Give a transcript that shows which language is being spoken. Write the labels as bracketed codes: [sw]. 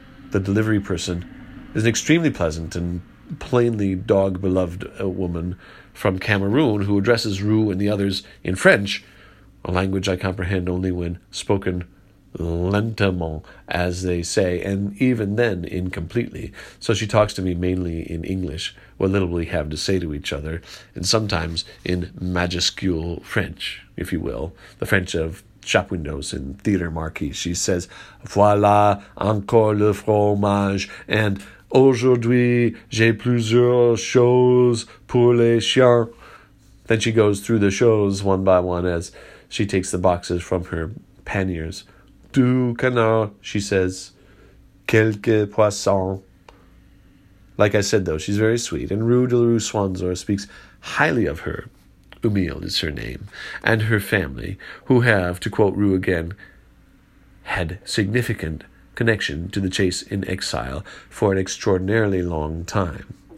[en] The delivery person is an extremely pleasant and plainly dog-beloved woman from Cameroon who addresses Rue and the others in French, a language I comprehend only when spoken lentement, as they say, and even then incompletely. So she talks to me mainly in English, what little we have to say to each other, and sometimes in majuscule French, if you will, the French of shop windows and theater marquees. She says, [fr] voilà encore le fromage, and aujourd'hui j'ai plusieurs choses pour les chiens. [en] Then she goes through the shows one by one as she takes the boxes from her panniers. [fr] Du canard, [en] she says, [fr] quelques poissons. [en] Like I said, though, she's very sweet, and Rue de la Rue Swanzor speaks highly of her, Umil is her name, and her family, who have, to quote Rue again, had significant connection to the chase in exile for an extraordinarily long time.